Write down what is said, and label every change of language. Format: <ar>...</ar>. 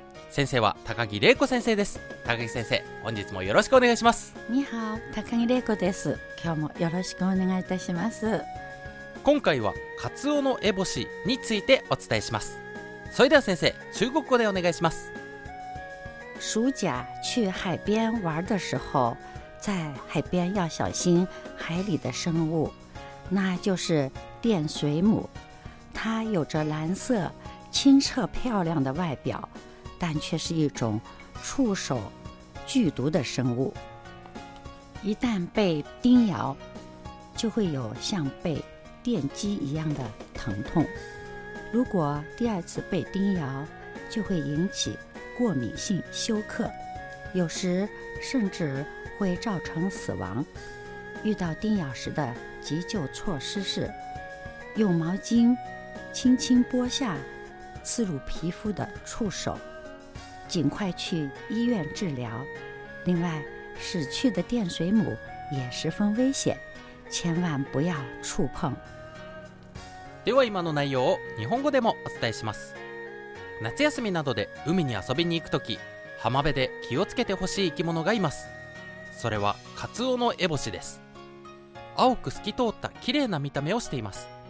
<ja>先生は高木玲子先生です。高木先生、本日もよろしくお願いします。ニハオ、高木玲子です。今日もよろしくお願いいたします。今回はカツオのエボシについてお伝えします。それでは先生、中国語でお願いします。</ja> <zh>暑假去海边玩的时候，在海边要小心海里的生物，那就是电水母。它有着蓝色、清澈漂亮的外表，但却是一种触手剧毒的生物。一旦被叮咬，就会有像被电击一样的疼痛。如果第二次被叮咬，就会引起过敏性休克，有时甚至会造成死亡。遇到叮咬时的急救措施是用毛巾轻轻剥下刺入皮肤的触手，尽快去医院治疗。另外，死去的电水母也十分危险，千万不要触碰。</zh> <ja>では今の内容を日本語でもお伝えします。夏休みなどで海に遊びに行くとき、浜辺で気をつけてほしい生き物がいます。それはカツオのエボシです。青く透き通った綺麗な見た目をしています。</ja>